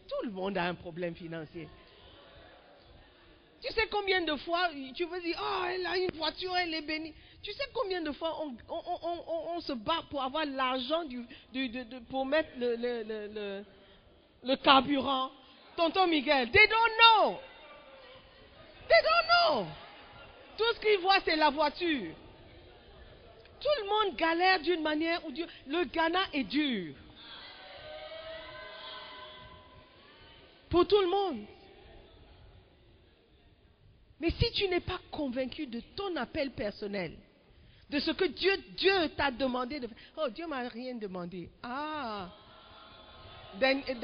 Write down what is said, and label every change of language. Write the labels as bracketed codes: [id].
[fr] Tout le monde a un problème financier. Tu sais combien de fois tu veux dire, oh, elle a une voiture, elle est bénie. Tu sais combien de fois on se bat pour avoir l'argent pour mettre le carburant. [en] Tonton Miguel, they don't know. They don't know. [fr] Tout ce qu'ils voient, c'est la voiture. Tout le monde galère d'une manière ou d'une autre. Le Ghana est dur. Pour tout le monde. Mais si tu n'es pas convaincu de ton appel personnel, de ce que Dieu t'a demandé de faire, oh, Dieu ne m'a rien demandé. Ah. [en] Then.